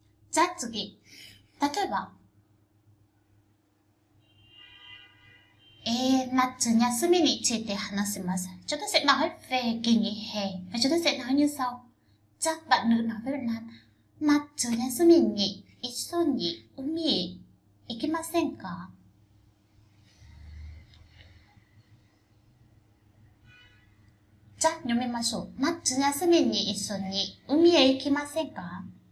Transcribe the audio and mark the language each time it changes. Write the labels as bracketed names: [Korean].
[Japanese] じゃあ次、例えば、夏休みについて話します。 [Vietnamese] Chúng ta sẽ nói về kỳ nghỉ hè và chúng ta sẽ nói như sau. [Japanese] じゃあ、 [Vietnamese] bạn nữ nói với bạn nam, [Japanese] 夏休みに一緒に海へ行きませんか？じゃあ、読みましょう。夏休みに一緒に海へ行きませんか？